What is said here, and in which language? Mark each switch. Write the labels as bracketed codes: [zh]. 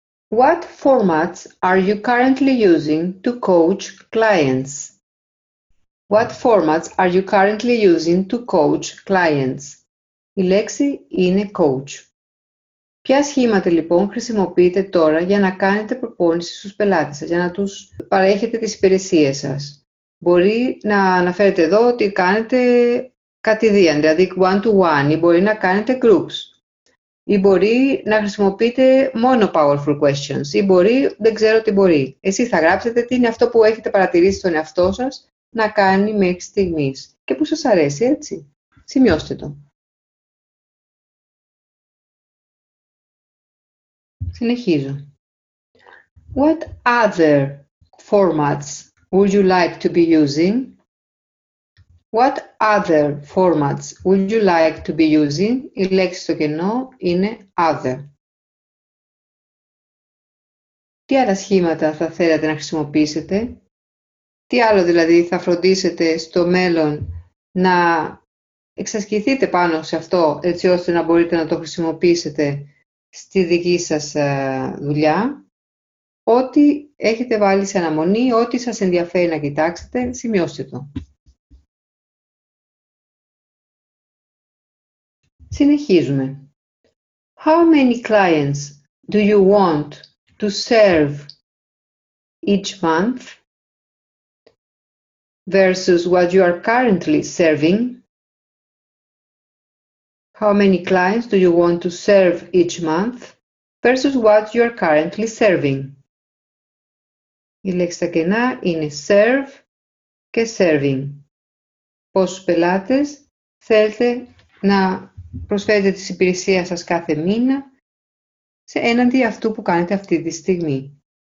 [en] What formats are you currently using to coach clients? What formats are you currently using to coach clients? [el] Η λέξη είναι coach. Ποια σχήματα λοιπόν χρησιμοποιείτε τώρα για να κάνετε προπόνηση στους πελάτες σας, για να τους παρέχετε τις υπηρεσίες σας? Μπορεί να αναφέρετε εδώ ότι κάνετε κατηδίαν, δηλαδή one-to-one, ή μπορεί να κάνετε groups, ή μπορεί να χρησιμοποιείτε μόνο powerful questions, ή μπορεί, δεν ξέρω τι μπορεί. Εσείς θα γράψετε τι είναι αυτό που έχετε παρατηρήσει στον εαυτό σας να κάνει μέχρι στιγμής και που σας αρέσει, έτσι. Σημειώστε το. Συνεχίζω. [en] What other formats would you like to be using? What other formats would you like to be using? [el] Η λέξη στο κενό είναι other. Τι άλλα σχήματα θα θέλατε να χρησιμοποιήσετε? Τι άλλο δηλαδή θα φροντίσετε στο μέλλον να εξασκηθείτε πάνω σε αυτό, έτσι ώστε να μπορείτε να το χρησιμοποιήσετε στη δική σας δουλειά? Ό,τι έχετε βάλει σε αναμονή, ό,τι σας ενδιαφέρει να κοιτάξετε, σημειώστε το. Συνεχίζουμε. [en] How many clients do you want to serve each month versus what you are currently serving? How many clients do you want to serve each month versus what you are currently serving? [el] Η λέξη στα κενά είναι serve και serving. Πόσους πελάτες θέλετε να προσφέρετε τις υπηρεσίες σας κάθε μήνα σε έναντι αυτού που κάνετε αυτή τη στιγμή?